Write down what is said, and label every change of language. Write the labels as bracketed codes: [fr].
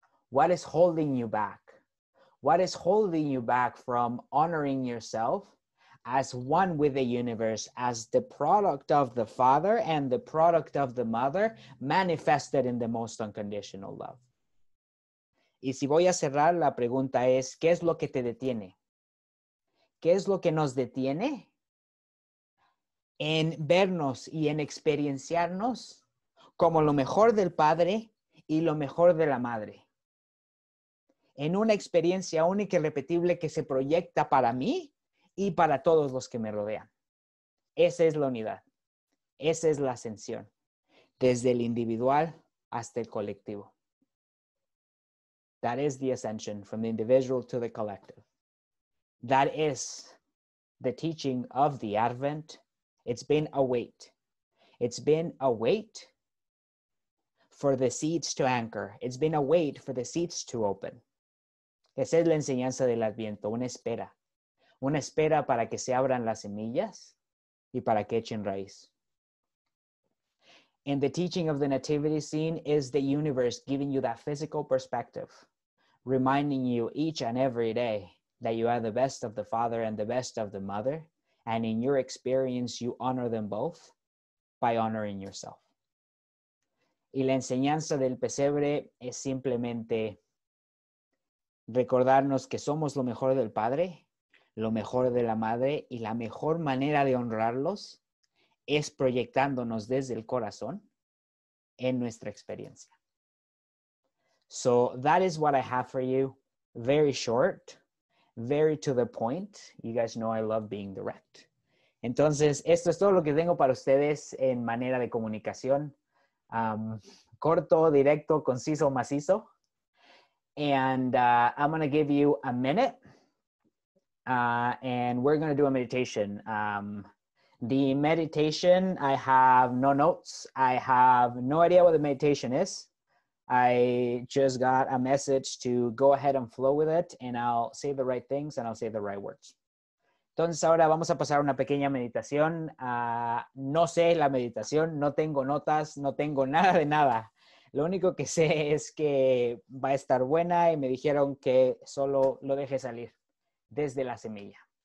[en] What is holding you back? What is holding you back from honoring yourself as one with the universe, as the product of the Father and the product of the Mother manifested in the most unconditional love? [es] Y si voy a cerrar, la pregunta es, ¿qué es lo que te detiene? ¿Qué es lo que nos detiene en vernos y en experienciarnos como lo mejor del Padre y lo mejor de la Madre? En una experiencia única y repetible que se proyecta para mí y para todos los que me rodean. Esa es la unidad. Esa es la ascensión. Desde el individual hasta el colectivo. [en] That is the ascension from the individual to the collective. That is the teaching of the Advent. It's been a wait. It's been a wait for the seeds to anchor. It's been a wait for the seeds to open. [es] Esa es la enseñanza del Adviento, una espera. Una espera para que se abran las semillas y para que echen raíz. [en] And the teaching of the nativity scene is the universe giving you that physical perspective, reminding you each and every day that you are the best of the Father and the best of the Mother, and in your experience, you honor them both by honoring yourself. [es] Y la enseñanza del pesebre es simplemente recordarnos que somos lo mejor del Padre, lo mejor de la Madre, y la mejor manera de honrarlos es proyectándonos desde el corazón en nuestra experiencia. [en] So that is what I have for you. Very short, very to the point. You guys know I love being direct. [es] Entonces, esto es todo lo que tengo para ustedes en manera de comunicación. Corto, directo, conciso, macizo. [en] And I'm going to give you a minute. And we're going to do a meditation. The meditation, I have no notes. I have no idea what the meditation is. I just got a message to go ahead and flow with it, and I'll say the right things and I'll say the right words. [es] Entonces ahora vamos a pasar una pequeña meditación. No sé la meditación, no tengo notas, no tengo nada de nada. Lo único que sé es que va a estar buena y me dijeron que solo lo deje salir desde la semilla.